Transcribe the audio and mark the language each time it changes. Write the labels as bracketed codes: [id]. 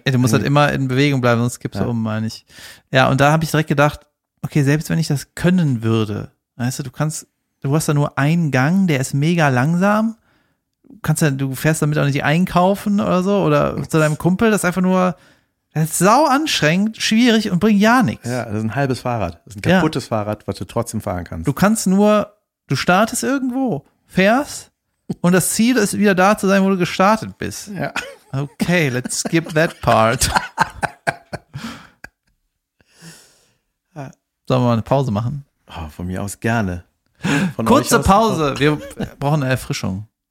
[de] Du musst halt immer in Bewegung bleiben, sonst kippst du um, meine ich. Ja, und da habe ich direkt gedacht, okay, selbst wenn ich das können würde, weißt du, du hast da nur einen Gang, der ist mega langsam, du fährst damit auch nicht einkaufen oder so, oder zu deinem Kumpel, das ist einfach nur, das ist sau anstrengend, schwierig und bringt ja nichts. Ja, das ist ein halbes Fahrrad, das ist ein kaputtes Fahrrad, was du trotzdem fahren kannst. Du kannst nur, du startest irgendwo, fährst und das Ziel ist wieder da zu sein, wo du gestartet bist. Ja. [en] Okay, let's skip that part. [de] Sollen wir mal eine Pause machen? Oh, von mir aus gerne. Von kurze aus Pause. Auch. Wir brauchen eine Erfrischung.